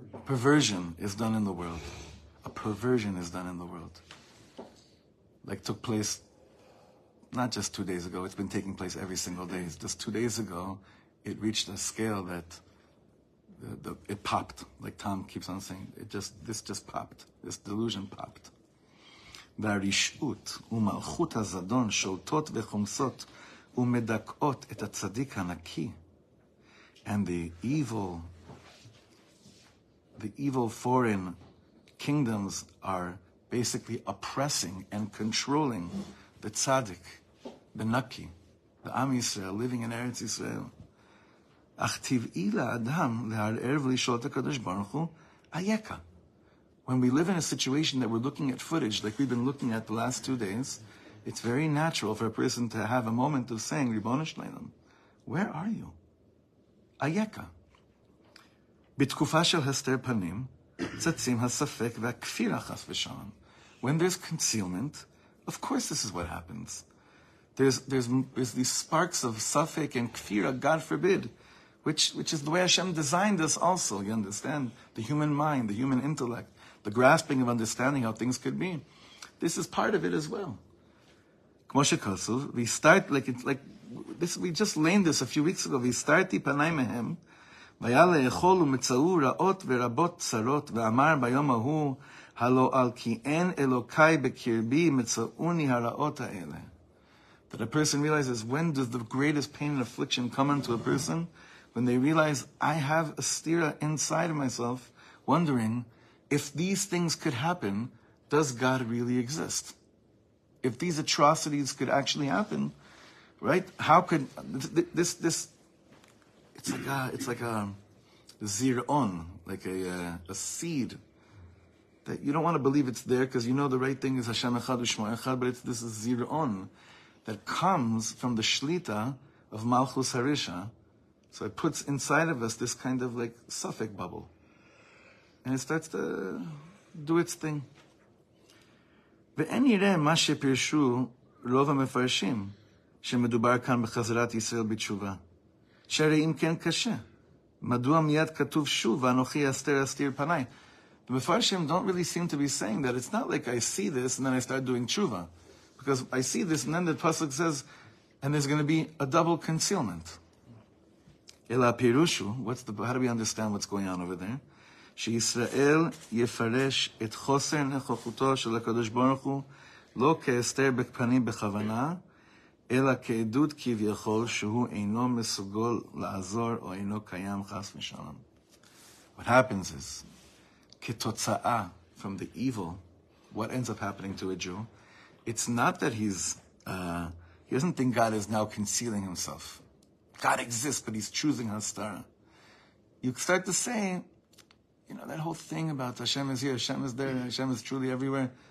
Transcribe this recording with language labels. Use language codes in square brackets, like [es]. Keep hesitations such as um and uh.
[en] perversion is done in the world. A perversion is done in the world. Like took place not just two days ago, it's been taking place every single day. Just two days ago, it reached a scale that the, the, it popped. Like Tom keeps on saying, it just this just popped. This delusion popped. [he] והרשעות ומלכות הזדון שולטות וחומסות ומדכאות את הצדיק הנקי. [en] And the evil the evil foreign kingdoms are basically oppressing and controlling the tzaddik, the naki, the Am Yisrael living in Eretz Yisrael. [he] אך טבעי לאדם להרער ולשאול את הקדוש ברוך הוא, אייכה. [en] When we live in a situation that we're looking at footage like we've been looking at the last two days, it's very natural for a person to have a moment of saying, Ribbon Shleilam, where are you? [he] Ayeka. בתקופה של הסתר פנים, צצים הספק והכפירה חס ושלום. [en] When there's concealment, of course this is what happens. There's, there's, there's these sparks of safek and kfira, God forbid, which, which is the way Hashem designed us also, you understand? The human mind, the human intellect, the grasping of understanding how things could be. This is part of it as well. [he] כמו שכתוב, [en] we start, like, it's like this, we just learned this a few weeks ago, we start [he] פניי מהם, והיה לאכול ומצאו רעות ורבות צרות, ואמר ביום ההוא, הלא על כי אין אלוקי בקרבי, מצאוני הרעות האלה. [en] That a person realizes when does the greatest pain and affliction come unto a person? When they realize I have a stira inside of myself, wondering if these things could happen, does God really exist? If these atrocities could actually happen, right? How could th- th- this this it's like a, it's like a ziron, like a, uh, a seed that you don't want to believe it's there because you know the right thing is [he] Hashem Echad U'Shmo Echad, [en] but it's this ziron that comes from the shlita of Malchus Harisha. So it puts inside of us this kind of like suffix bubble, and it starts to do its thing. [he] ואין יראה מה שפירשו רוב המפרשים שמדובר כאן בחזרת ישראל בתשובה. שהרי אם כן קשה, מדוע מיד כתוב שוב, ואנוכי אסתר אסתיר פניי? [en] The Mepharshim don't really seem to be saying that. It's not like I see this and then I start doing tshuva. Because I see this and then the Pasuk says, and there's going to be a double concealment. [he] אלא הפירוש הוא, [en] what's the, how do we understand what's going on over there? [he] שישראל יפרש את חוסר נכוחותו של הקדוש ברוך הוא לא כהסתר בפנים בכוונה, אלא כעדות כביכול שהוא אינו מסוגל לעזור או אינו קיים חס ושלום. [en] What happens is, כתוצאה from the evil, what ends up happening to a Jew, it's not that he's, uh, he doesn't think God is now concealing himself. God exists, but he's choosing Hastara. You start to say, you know, that whole thing about Hashem is here, Hashem is there, Hashem is truly everywhere.